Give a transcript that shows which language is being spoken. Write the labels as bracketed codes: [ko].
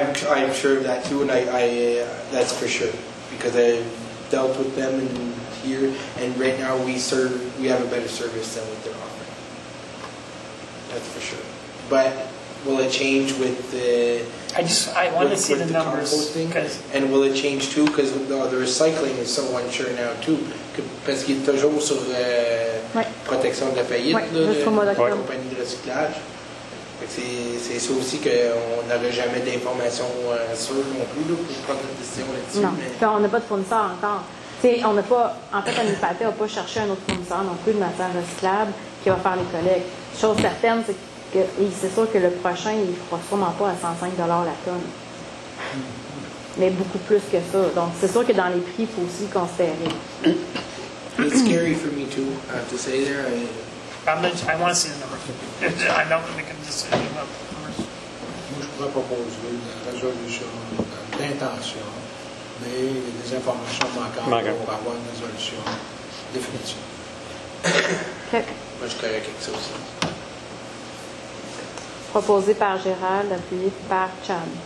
[en] I'm sure of that too, and I that's for sure. Because I dealt with them and here, and right now we have a better service than what they're offering. That's for sure. But will it change with the? I want to see the numbers. Because and will it change too? Because the recycling is so unsure now too. [fr] Parce qu'il est toujours sur la protection de la faillite de la compagnie de recyclage. C'est ça aussi qu'on n'aurait jamais d'informations sûres non plus là, pour prendre une décision là-dessus. Non, mais on n'a pas de fournisseur encore. T'sais, on n'a pas, en fait, l'UNIPAT n'a pas cherché un autre fournisseur non plus de matière recyclable qui va faire les collectes. Chose certaine, c'est que c'est sûr que le prochain, il ne fera sûrement pas à 105$ la tonne. Mais beaucoup plus que ça. Donc, c'est sûr que dans les prix, il faut aussi considérer. [en] C'est scary for me too, I have to say there. I want to see the numbers. I'm not going to make a decision about numbers. [fr] Moi, je pourrais proposer une résolution d'intention, mais des informations manquantes pour avoir une résolution définitive. Okay. Moi, je connais quelque chose. Proposé par Gérald, appuyé par Chan.